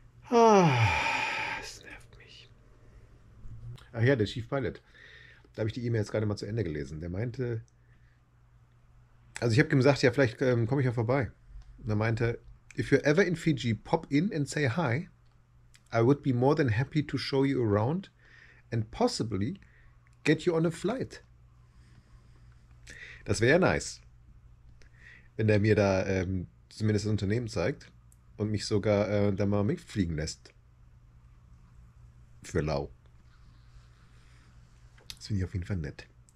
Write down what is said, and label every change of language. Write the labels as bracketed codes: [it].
[de] Es nervt mich. Ach ja, der Chief Pilot. Da habe ich die E-Mail jetzt gerade mal zu Ende gelesen. Der meinte, also ich habe ihm gesagt, ja, vielleicht komme ich ja vorbei. Und er meinte, [en] if you're ever in Fiji, pop in and say hi. I would be more than happy to show you around and possibly get you on a flight. [de] Das wäre ja nice. Wenn der mir da zumindest das Unternehmen zeigt und mich sogar da mal mitfliegen lässt. Für lau. Das finde ich auf jeden Fall nett.